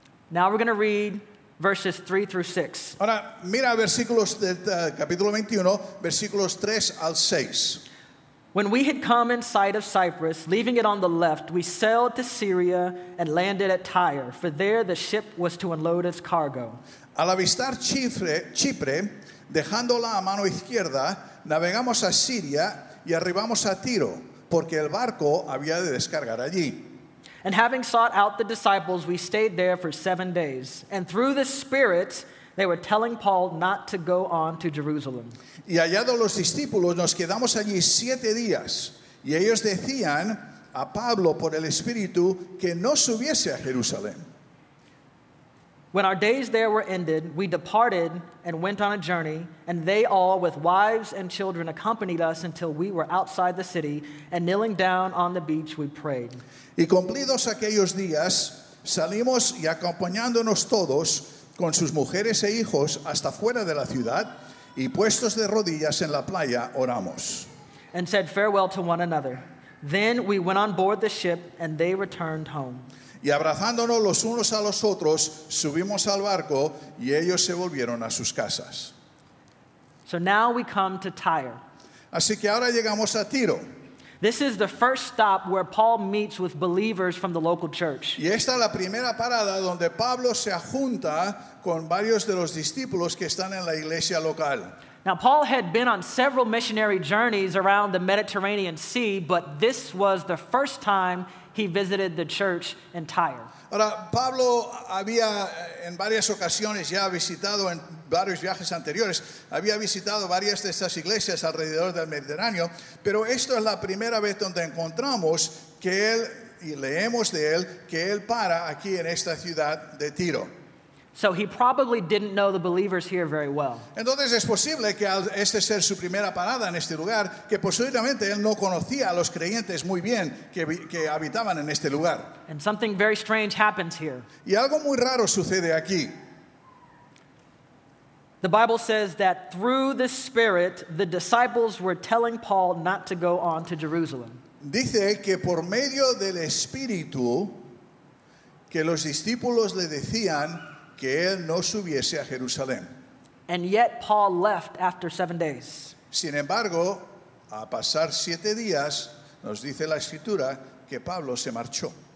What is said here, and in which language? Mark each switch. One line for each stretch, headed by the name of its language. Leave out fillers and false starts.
English: Now we're going to read verses 3 through 6.
Spanish: Ahora, mira versículos de capítulo 21, versículos 3 al 6.
English: When we had come in sight of Cyprus, leaving it on the left, we sailed to Syria and landed at Tyre, for there the ship was to unload its cargo.
Spanish: Al avistar Chipre, dejándola a mano izquierda, navegamos a Siria y arribamos a Tiro, porque el barco había de descargar allí.
English: And having sought out the disciples, we stayed there for 7 days. And through the Spirit, they were telling Paul not to go on to Jerusalem.
Spanish: Y hallados los discípulos, nos quedamos allí 7 días. Y ellos decían a Pablo por el Espíritu que no subiese a Jerusalén.
English: When our days there were ended, we departed and went on a journey, and they all with wives and children accompanied us until we were outside the city, and kneeling down on the beach, we prayed.
Spanish: Y cumplidos aquellos días, salimos y acompañándonos todos con sus mujeres e hijos hasta fuera de la ciudad, y puestos de rodillas en la playa, oramos.
English: And said farewell to one another. Then we went on board the ship, and they returned home.
Spanish: Y abrazándonos los unos a los otros, subimos al barco y ellos se volvieron a sus casas.
English: So now we come to Tyre.
Spanish: Así que ahora llegamos a Tiro.
English: This is the first stop where Paul meets with believers from the local church.
Spanish: Y esta es la primera parada donde Pablo se junta con varios de los discípulos que están en la iglesia local.
English: Now, Paul had been on several missionary journeys around the Mediterranean Sea, but this was the first time he visited the church in Tyre.
Spanish: Ahora, Pablo había en varias ocasiones ya visitado en varios viajes anteriores, había visitado varias de estas iglesias alrededor del Mediterráneo, pero esto es la primera vez donde encontramos que él, y leemos de él, que él para aquí en esta ciudad de Tiro.
English: So he probably didn't know the believers here very well.
Spanish: Entonces es posible que al este ser su primera parada en este lugar, que posiblemente él no conocía a los creyentes muy bien que habitaban en este lugar.
English: And something very strange happens here.
Spanish: Y algo muy raro sucede aquí.
English: The Bible says that through the Spirit, the disciples were telling Paul not to go on to Jerusalem.
Spanish: Dice que por medio del Espíritu, que los discípulos le decían que él no subiese a Jerusalén.
English: And yet Paul left after 7 days.
Spanish: Sin embargo, a pasar 7 días, nos dice la Escritura que Pablo se marchó.